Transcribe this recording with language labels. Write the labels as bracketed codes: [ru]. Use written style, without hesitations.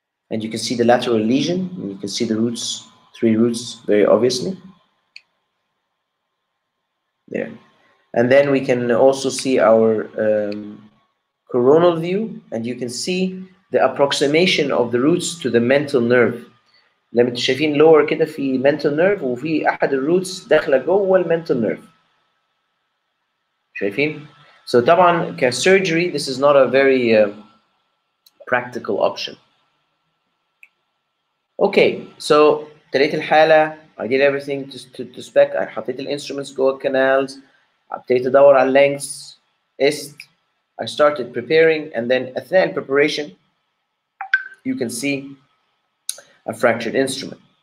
[en] And you can see the lateral lesion. And you can see the roots, 3 roots, very obviously. There. And then we can also see our coronal view. And you can see the approximation of the roots to the mental nerve. [ar] لما تشوفين lower كده في mental nerve, وفي أحد [en] the roots [ar] داخلة جوه mental nerve. شايفين؟ [en] So, [ar] طبعاً كسيرجري, [en] this is not a very practical option. Okay, so, [ar] تريت الحالة, [en] I did everything to spec, I [ar] حطيت ال [en] instruments, go canals, [ar] ابتديت أدور على [en] lengths, est, I started preparing, and then [ar] أثناء [en] preparation, you can see a fractured instrument.